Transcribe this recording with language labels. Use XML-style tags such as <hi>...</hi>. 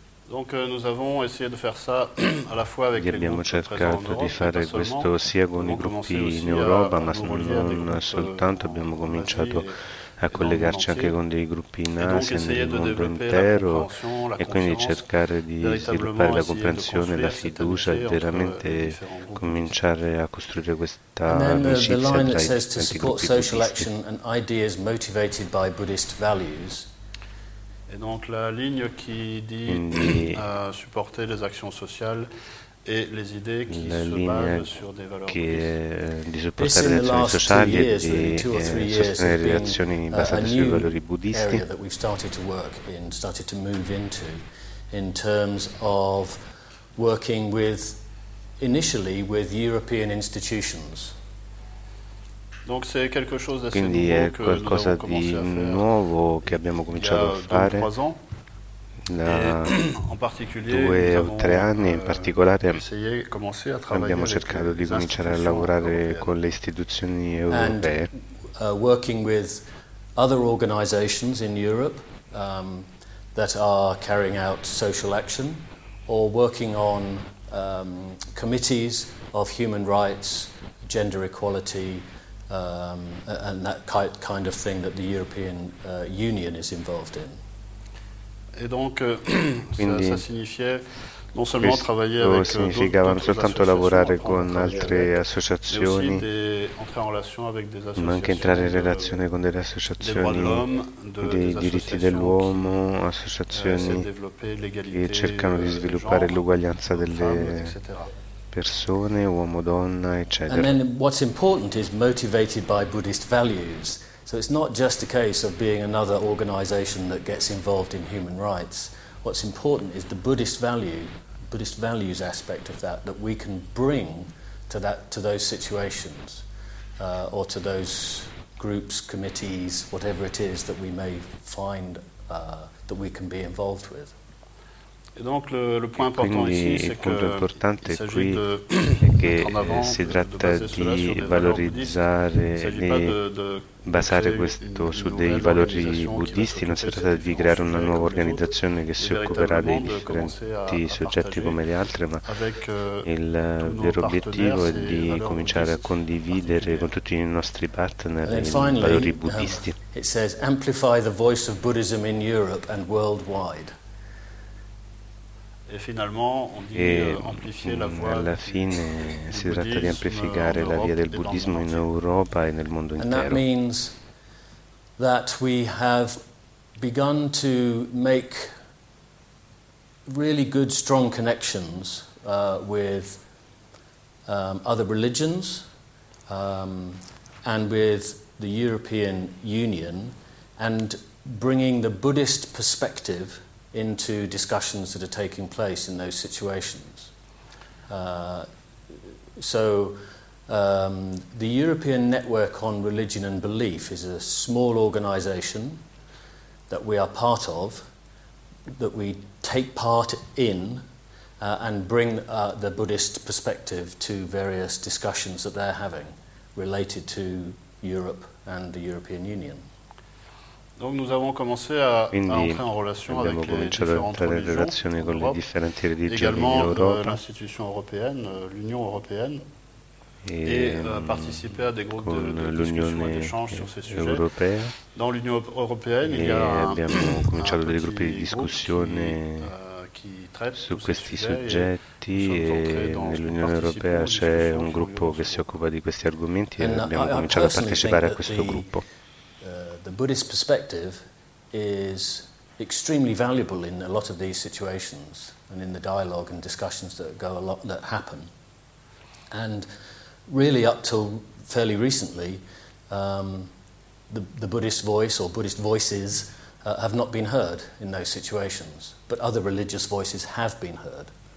<fr>Donc nous avons essayé de faire ça à la fois avec les</fr> <it>abbiamo cercato di fare questo sia con i gruppi in Europa, ma non soltanto, abbiamo cominciato a collegarci anche con dei gruppi in Asia, nel mondo intero, e quindi cercare di sviluppare la comprensione, la fiducia, e veramente cominciare a costruire questa amicizia tra i diversi gruppi buddisti. E donc la linea che dice supportare le azioni sociali e le idee che si basano su dei valori che di supportare le azioni sociali e sostenere le azioni basate sui valori buddisti.</it> <en>That we've started to work in, started to move into, in terms of working with, initially with European institutions.</en> <fr>Donc c'est quelque chose d'assez</fr> <it>quindi nuovo è qualcosa che di nuovo che abbiamo cominciato a fare da due o tre anni. In particolare abbiamo cercato di cominciare a lavorare con le istituzioni europee</it> <en>and, working with other organizations in Europe that are carrying out social action or working on committees of human rights, gender equality, and that kind of thing that the European Union is involved in.</en> <fr>Et donc quindi, ça significait non seulement travailler avec</fr> <it>significava non soltanto lavorare con altre associazioni, entrare in relazione</it> <fr>avec des associations,</fr> <it>ma anche entrare in relazione con delle associazioni dei diritti dell'uomo, associazioni che cercano di sviluppare l'uguaglianza delle persone, uomo, donna, eccetera.</it> <en>And then what's important is motivated by Buddhist values. So it's not just a case of being another organization that gets involved in human rights. What's important is the Buddhist values aspect of that, that we can bring to that, to those situations, or to those groups, committees, whatever it is that we may find that we can be involved with.</en> <fr>Donc le point important quindi ici,</fr> <it>il punto importante qui è che si tratta di valorizzare e basare questo su dei valori buddisti, non si tratta di creare una nuova organizzazione che si occuperà dei differenti soggetti come le altre, ma il vero obiettivo è di cominciare a condividere con tutti i nostri partner i valori buddisti.</it> <en>It says amplify the voice of Buddhism in Europe and worldwide.</en> <fr>Et finalement, on dit amplifier la voie.</fr> <it>Alla fine si tratta di amplificare la via del buddismo in Europa e nel mondo intero.</it> <en>And that means that we have begun to make really good, strong connections with other religions and with the European Union, and bringing the Buddhist perspective into discussions that are taking place in those situations. So the European Network on Religion and Belief is a small organization that we are part of, that we take part in, and bring the Buddhist perspective to various discussions that they're having related to Europe and the European Union.</en> <fr>Donc nous avons commencé à entrer en relation avec les</fr> <it>relazioni con le differenti religioni</it> <fr>également d'Europe, l'institution européenne, l'Union européenne, et participer à des groupes de discussion et d'échange sur ces sujets.</fr> <it>Europea.</it> <fr>Dans l'Union européenne, il y a</fr> <it>cominciato dei gruppi di discussione su questi soggetti, e nell'Unione Europea c'è un gruppo che si occupa di questi argomenti e abbiamo cominciato a partecipare a questo gruppo.</it> <en>The Buddhist perspective is extremely valuable in a lot of these situations and in the dialogue and discussions that happen. And really up till fairly recently, the Buddhist voice or Buddhist voices have not been heard in those situations, but other religious voices have been heard.</en>